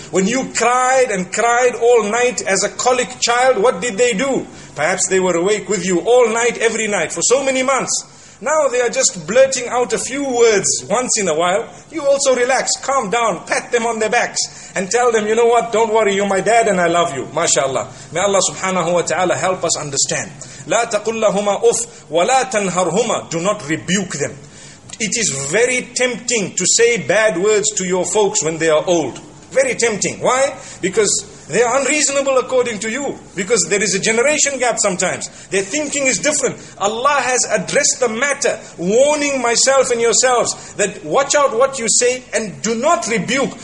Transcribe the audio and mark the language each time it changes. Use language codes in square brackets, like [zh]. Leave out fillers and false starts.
[en] When you cried and cried all night as a colic child, what did they do? Perhaps they were awake with you all night, every night, for so many months. Now they are just blurting out a few words once in a while. You also relax, calm down, pat them on their backs and tell them, you know what, don't worry, you're my dad and I love you. MashaAllah. May Allah subhanahu wa ta'ala help us understand. [ar] لا تقل لهما أف ولا تنهرهما. [en] Do not rebuke them. It is very tempting to say bad words to your folks when they are old. Very tempting. Why? Because they are unreasonable according to you. Because there is a generation gap sometimes. Their thinking is different. Allah has addressed the matter, warning myself and yourselves that watch out what you say and do not rebuke.